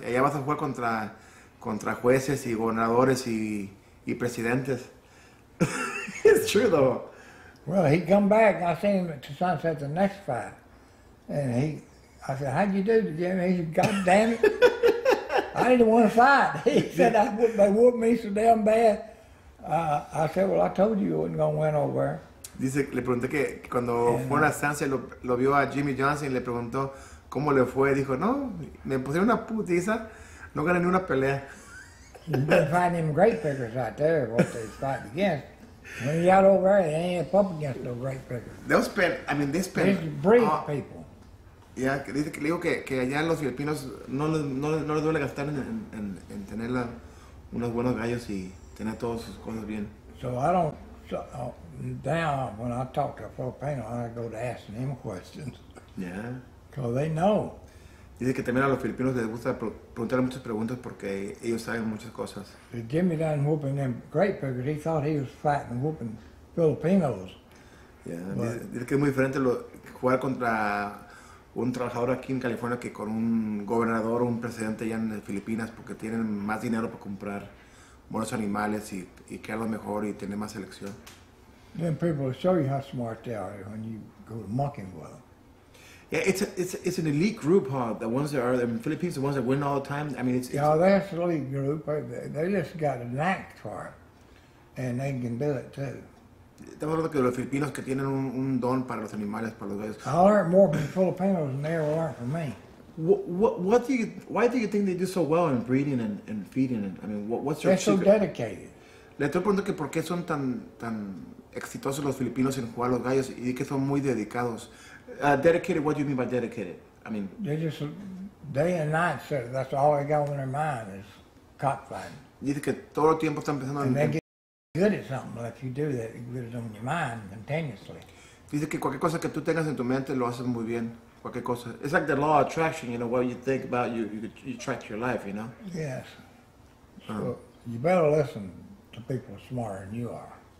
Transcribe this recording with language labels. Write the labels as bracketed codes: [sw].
[es] Allá vas a jugar contra jueces y gobernadores y presidentes. [en] It's true, though. Well, he come back. I seen him to Sunset the next fight. I said, how'd you do, Jimmy? He said, God damn it. I didn't want to fight. He said, they whooped me so damn bad. I said, well, I told you I wasn't going to win over there. [es] Dice, le pregunté que cuando fue a Sunset, lo vio a Jimmy Johnson y le preguntó cómo le fue. Dijo, no, me pusieron una putiza, no gané ni una pelea. [en] You've been fighting them great pickers out there, what they fight against. When you got over there, they ain't up against no great pickers. They spend people. [es] Ya, dice que le digo que allá en los filipinos no les duele gastar en tener unos buenos gallos y tener todas sus cosas bien. [en] So I don't, now when I talk to a Filipino, I go to ask them questions. Yeah. Because they know. [es] Dice que también a los filipinos les gusta preguntar muchas preguntas porque ellos saben muchas cosas. [en] Jimmy done whooping them great pickers, he thought he was fighting whooping Filipinos. [es] Yeah, dice que es muy diferente jugar contra un trabajador aquí en California que con un gobernador o un presidente allá en Filipinas porque tienen más dinero para comprar buenos animales y crearlo mejor y tener más selección. [en] Then people will show you how smart they are when you go to mocking well. Yeah, it's an elite group, huh? The ones that are in Philippines, the ones that win all the time. I mean, that's an elite group. They just got a knack for it, and they can do it too. [es] Estamos hablando de los filipinos que tienen un don para los animales, para los gallos. [en] I learned more from Filipinos than they ever learned from me. Why do you think they do so well in breeding and feeding? And, I mean, what's your secret? They're so dedicated. [es] Le estoy preguntando que por qué son tan exitosos los filipinos en jugar los gallos y que son muy dedicados. [en] Dedicated, what do you mean by dedicated? I mean, they just, day and night, sir, that's all they got on their mind is cockfighting. [es] Dice que todo el tiempo están pensando [en] good at something, but if you do that, it grows on your mind continuously. [es] Dice que cualquier cosa que tú tengas en tu mente lo haces muy bien. Cualquier cosa. [en] It's like the law of attraction, you know, what you think about, you attract your life, you know? Yes. So you better listen to people smarter than you are.